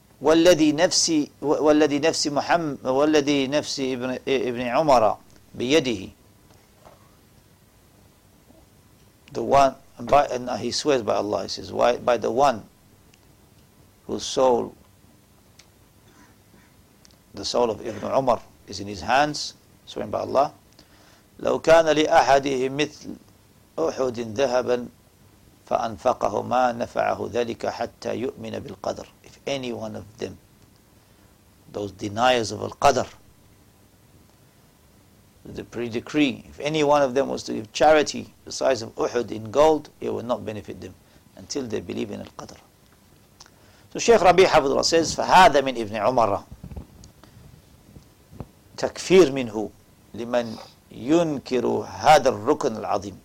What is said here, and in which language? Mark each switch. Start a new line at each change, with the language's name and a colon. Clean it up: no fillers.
Arabic: والذي نفسي محمد والذي نفسي ابن عمر بيده.
English: The one, and he swears by Allah, he says, by the one whose soul, the soul of Ibn Umar, is in his hands, swearing by Allah.
Arabic: لو كان لأحدهم مثل أحد ذهبا فأنفقه ما نفعه ذلك حتى يؤمن بالقدر.
English: Any one of them, those deniers of Al-Qadr, the pre-decree, if any one of them was to give charity the size of Uhud in gold, it would not benefit them until they believe in Al-Qadr. So Shaykh Rabi Hafidullah says,
Arabic: فَهَذَا مِنْ إِبْنِ عُمَرَ تَكْفِير مِنْهُ لِمَنْ يُنْكِرُ هَذَا الرُّكْنَ الْعَظِيمِ.